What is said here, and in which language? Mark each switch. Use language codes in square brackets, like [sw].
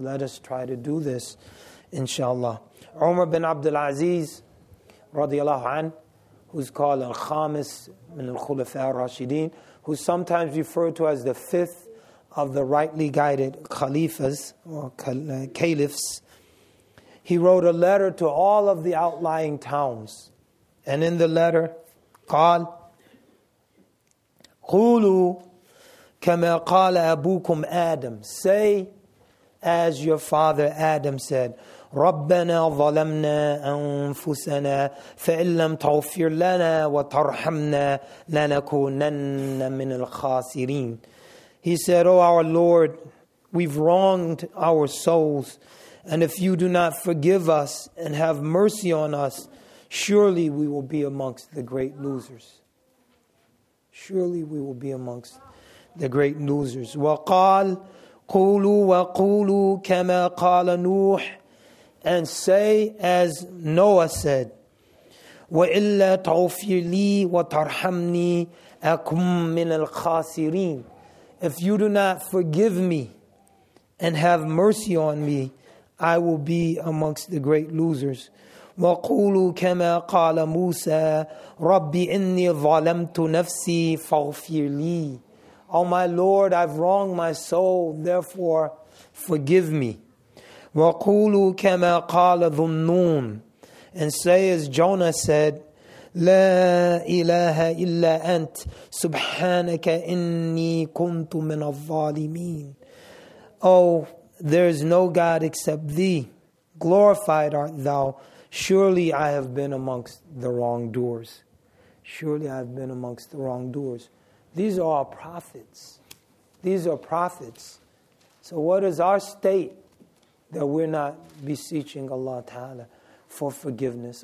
[en] Let us try to do this, inshallah. Umar bin Abdul Aziz, radiallahu anh, who's called Al-Khamis min al-Khulafa al-Rashideen, who's sometimes referred to as the fifth of the rightly guided khalifas, or caliphs, he wrote a letter to all of the outlying towns. And in the letter, [ar] قال, قولوا كما قال أبوكم آدم, [en] say, as your father Adam said, [ar] ربنا ظلمنا أنفسنا فإن لم تغفر لنا وترحمنا لنكونن من الخاسرين. [en] He said, oh our Lord, we've wronged our souls, and if you do not forgive us and have mercy on us, surely we will be amongst the great losers. Surely we will be amongst the great losers. [ar] وقال قولوا وقولوا كما قال نوح, [en] and say as Noah said, [ar] وإلا تغفر لي وترحمني أكم من الخاسرين. [en] If you do not forgive me and have mercy on me, I will be amongst the great losers. [ar] وَقُولُوا كَمَا قَالَ مُوسَى رَبِّ إِنِّي ظَلَمْتُ نَفْسِي فَغْفِرْ لِي. [en] Oh my Lord, I've wronged my soul, therefore forgive me. [ar] وَقُولُوا كَمَا قَالَ ذُنُّونَ, [en] and say as Jonah said, [ar] لَا إِلَهَ إِلَّا أَنْتْ سُبْحَانَكَ إِنِّي كُنْتُ مِنَ الظَّالِمِينَ. [en] Oh, there is no God except Thee. Glorified art Thou. Surely I have been amongst the wrongdoers. Surely I have been amongst the wrongdoers. These are our prophets. These are prophets. So what is our state that we're not beseeching Allah Ta'ala for forgiveness?